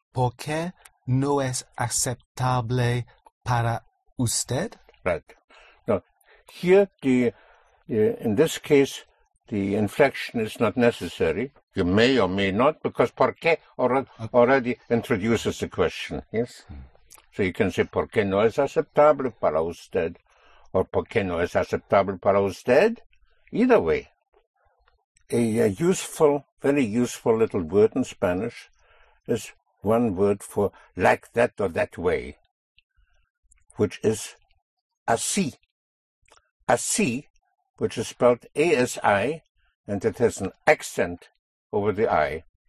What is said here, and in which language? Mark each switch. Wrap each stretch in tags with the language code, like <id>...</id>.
<es>Por qué no es aceptable para usted?</es> <en>Right. Now, here, in this case, the inflection is not necessary. You may or may not, because por qué already introduces the question. Yes? So you can say,</en> <es>por qué no es aceptable para usted? Or por qué no es aceptable para usted?</es> <en>Either way, a useful, very useful little word in Spanish is one word for like that or that way, which is así. Así, which is spelled A-S-I, and it has an accent over the I.</en>